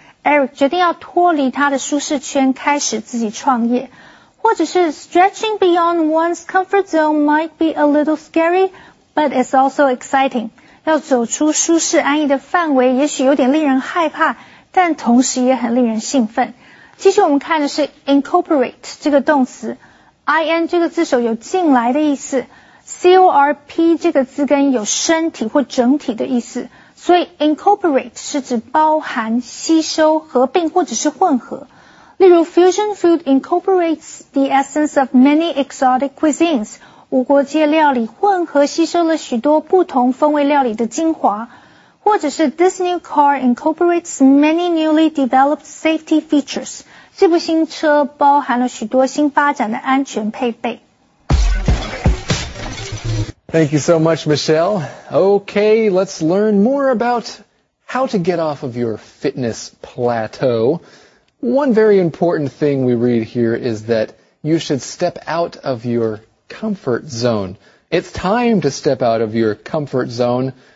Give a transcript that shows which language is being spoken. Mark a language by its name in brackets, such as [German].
[Chinese] Eric 决定要脱离他的舒适圈开始自己创业。或者是 [English] stretching beyond one's comfort zone might be a little scary, but it's also exciting. [Chinese] 要走出舒适安逸的范围也许有点令人害怕，但同时也很令人兴奋。继续我们看的是 incorporate 这个动词 ,in 这个字首有进来的意思 ,corp 这个字根有身体或整体的意思所以 incorporate 是指包含、吸收、合并或者是混合。例如 [English] ,fusion food incorporates the essence of many exotic cuisines, [Chinese] 无国界料理混合吸收了许多不同风味料理的精华。或者是 [English] This new car incorporates many newly developed safety features. [Chinese] 这部新车包含了许多新发展的安全配备。 [English] Thank you so much, Michelle. Okay, let's learn more about how to get off of your fitness plateau. One very important thing we read here is that you should step out of your comfort zone. It's time to step out of your comfort zone.